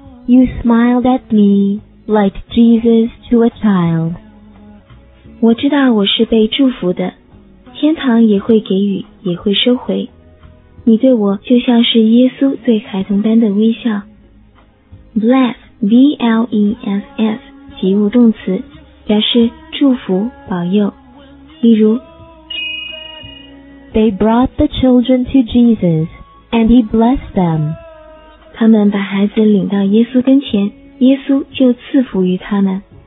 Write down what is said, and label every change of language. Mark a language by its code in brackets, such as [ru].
[en] You smiled at me like Jesus to a child. [zh] 我知道我是被祝福的，天堂也会给予，也会收回。你对我就像是耶稣对孩童般的微笑。 Bless, B-L-E-S-S, 及物动词，表示祝福、保佑。例如 [en] They brought the children to Jesus, and he blessed them. [zh] 他们把孩子领到耶稣跟前，耶稣就赐福于他们。